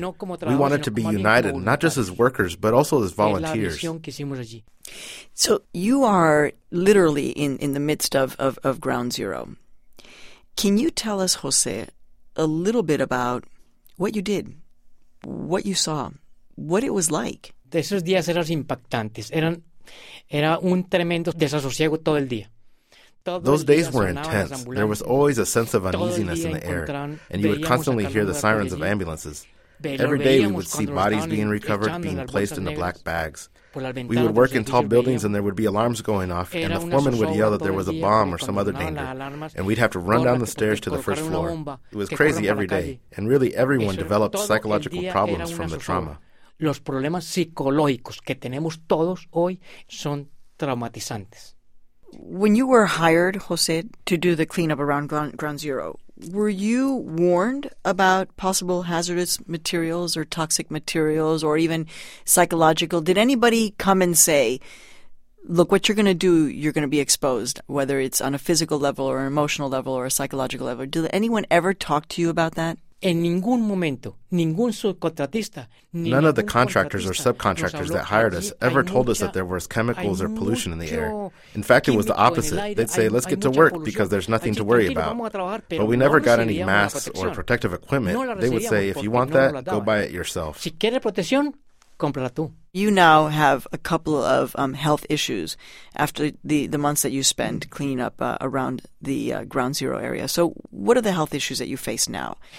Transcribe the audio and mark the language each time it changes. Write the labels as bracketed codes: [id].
[en] We wanted to be united, not just as workers, but also as volunteers. So you are literally in the midst of Ground Zero. Can you tell us, Jose, a little bit about what you did, what you saw, what it was like? [es] Esos días eran impactantes. Era un tremendo desasosiego todo el día. [en] Those days were intense. There was always a sense of uneasiness in the air, and you would constantly hear the sirens of ambulances. Every day we would see bodies being recovered, being placed in the black bags. We would work in tall buildings, and there would be alarms going off, and the foreman would yell that there was a bomb or some other danger, and we'd have to run down the stairs to the first floor. It was crazy every day, and really everyone developed psychological problems from the trauma. [es] Los problemas psicológicos que tenemos todos hoy son traumatizantes. [en] When you were hired, Jose, to do the cleanup around Ground Zero, were you warned about possible hazardous materials or toxic materials or even psychological? Did anybody come and say, look, what you're going to do, you're going to be exposed, whether it's on a physical level or emotional level or a psychological level? Did anyone ever talk to you about that? [es] En ningún momento, ningún subcontratista, [en] none of the contractors or subcontractors that hired us ever told us that there was chemicals or pollution in the air. In fact, it was the opposite. They'd say, let's get to work because there's nothing to worry about. But we never got any masks or protective equipment. They would say, if you want that, go buy it yourself. [es] Si quieres protección, cómprala tú. [en] You now have a couple of health issues after the months that you spend cleaning up around the Ground Zero area. So what are the health issues that you face now?